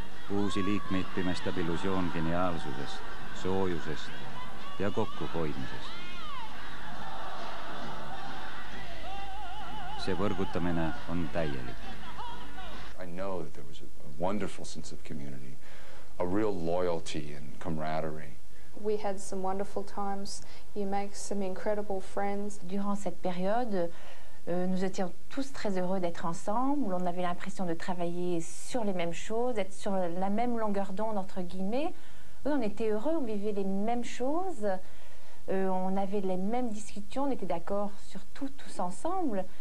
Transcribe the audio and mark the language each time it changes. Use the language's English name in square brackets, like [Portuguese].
[Estonian] Uusi liikmeid pimestab illusioon geniaalsusest, soojusest ja kokkuhoidmisest. See võrgutamine on täielik. [English] I know that there was a wonderful sense of community, a real loyalty and camaraderie. We had some wonderful times. You make some incredible friends. [French] Durant cette période, nous étions tous très heureux d'être ensemble. On avait l'impression de travailler sur les mêmes choses, d'être sur la même longueur d'onde, entre guillemets. Eux, on était heureux, on vivait les mêmes choses. On avait les mêmes discussions, on était d'accord sur tout, tous ensemble.